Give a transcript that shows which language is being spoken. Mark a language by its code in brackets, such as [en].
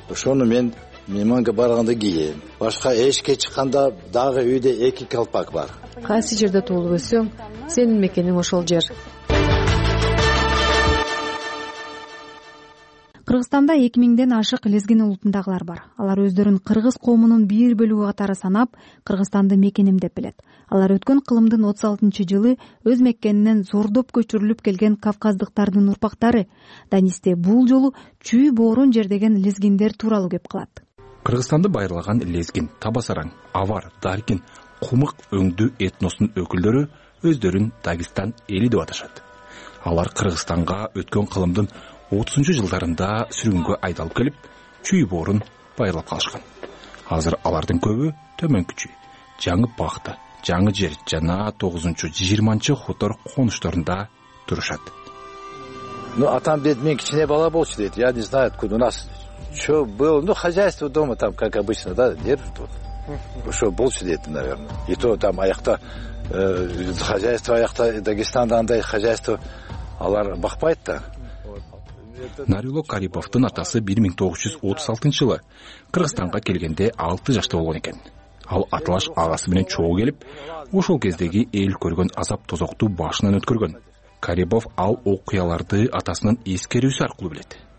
[ky] Ошону мен мейманга барганда кийем. Башка эшикке чыкканда дагы үйдө эки калпак бар. Кайсы жерде туулуп өссөң, сенин мекениң ошол жер. Кыргызстанда 2000ден ашык лезгин улутундагылар бар. Алар өздөрүн кыргыз коомунун бир бөлүгү катары санап, Кыргызстанды мекеним деп билет. Алар өткөн кылымдын 36-жылы өз меккенинен зордоп көчүрүлүп келген кавказдыктардын урпактары. Данисте бул жолу чүй боорун жердеген лезгиндер тууралуу кеп кылат. Кыргызстанды байырлаган лезгин, табасараң, авар, даркин, кумык өңдүү этносунун өкүлдөрү өздөрүн Дагестан эли деп аташат. Алар Кыргызстанга өткөн кылымдын 30-жылдарында сүрүнгө айдалып келип, чүй боорун байлап калышкан. Азыр алардын көбү төмөнкү чүй, жаңы пахта, жаңы жер жана 9-20 хутор конушторунда турушат. Ну, атам дед мен кичине бала болчу дейт. [ru] Я не знаю, откуда у нас что было, ну, хозяйство дома там, как обычно, да, держит вот. [ky] Что болчу дейт, наверное. И то там аякта хозяйство аякта Дагестанда андай хозяйство алар бакпайт да. Нарило Карибовтун атасы 1936 жылы Кыргызстанга келгенде 6 жашта болгон экен. Ал аталаш агасы менен чогуу келип, ошол кездеги эл көргөн азап тозокту башынан өткөргөн. Карибов ал окуяларды атасынын эскерүүсү аркылуу билет.